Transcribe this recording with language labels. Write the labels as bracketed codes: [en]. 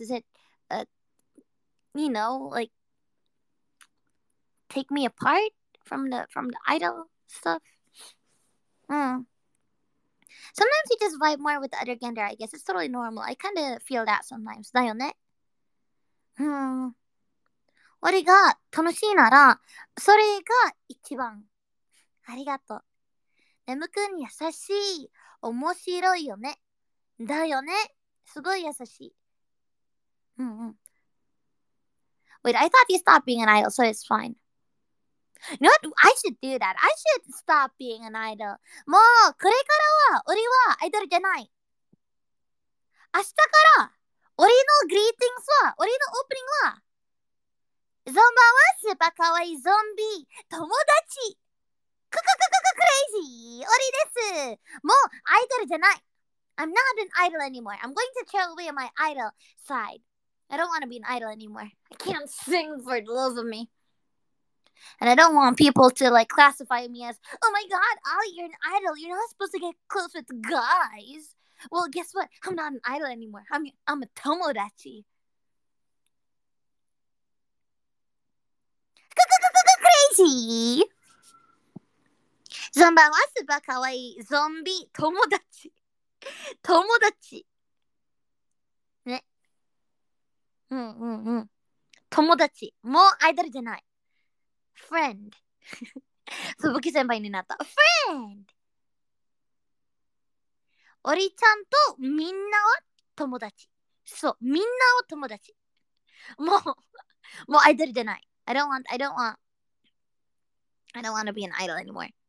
[en] Is it you know, like, take me apart from the idol stuff. Sometimes you just vibe more with the other gender, I guess. It's totally normal. I kind of feel that sometimes. [ja] だよね。俺が楽しいなら、それが一番。ありがとう。ネムくん優しい。面白いよね。だよね。すごい優しい。 [en] Wait, I thought you stopped being an idol, so it's fine. No, I should do that. I should stop being an idol. もうこれからは俺はアイドルじゃない。明日から俺のグリーティングスは、俺のオープニングは、ゾンバはスーパーかわいいゾンビ、友達、クレイジー、オリです。もうアイドルじゃない。 I'm not an idol anymore. I'm going to throw away my idol side. I don't want to be an idol anymore. I can't sing for the love of me. And I don't want people to like classify me as, oh my god, Ollie, you're an idol. You're not supposed to get close with guys. Well, guess what? I'm not an idol anymore. I'm a tomodachi. Crazy! [ja] Zomba wa suba kawaii zombi tomodachi. Tomodachi. Tomodachi. Mo idol janai. Friend. Fubuki senpai ni natta. Friend! オリちゃんとみんなは友達。そう、みんなは友達。もうアイドルじゃない。 [en] I don't want to be an idol anymore.